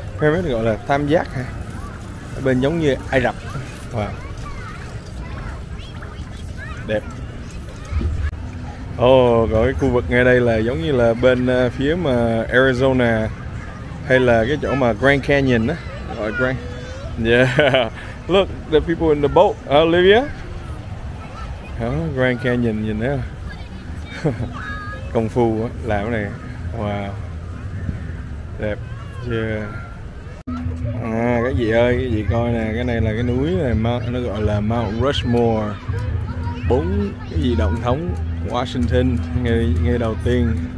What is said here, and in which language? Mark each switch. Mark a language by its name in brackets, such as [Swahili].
[Vietnamese] Pyramid gọi là tam giác hả? Ở bên giống như Ai Cập. Wow. Đẹp. Oh, cái khu vực ngay đây là giống như là bên phía mà Arizona hay là cái chỗ mà Grand Canyon á. Gọi Grand. Yeah. [English] Look, the people in the boat, Olivia. [Vietnamese] Oh, Grand Canyon, nhìn thấy không? Công phu đó, làm cái này. Wow. Đẹp chưa? Yeah. À, cái gì ơi, cái gì coi nè. Cái này là cái núi này, nó gọi là Mount Rushmore. Bốn cái gì động thống Washington, ngay đầu tiên.